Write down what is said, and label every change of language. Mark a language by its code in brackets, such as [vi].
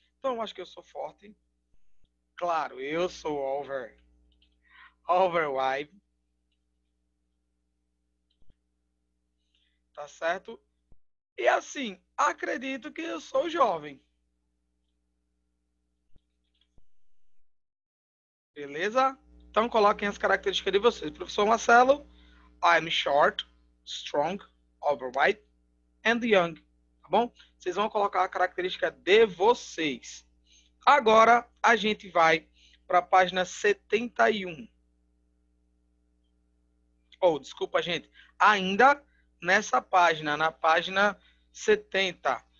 [pt] Então, acho que eu sou forte. Claro, eu sou overwhelmed. Tá certo? E assim, acredito que eu sou jovem. Beleza? Então coloquem as características de vocês. [en] Professor Marcelo, I'm short, strong, overweight and young. [pt] Tá bom? Vocês vão colocar a característica de vocês. Agora a gente vai para a página 71. Ou, desculpa, gente. Ainda nessa página, na página 70.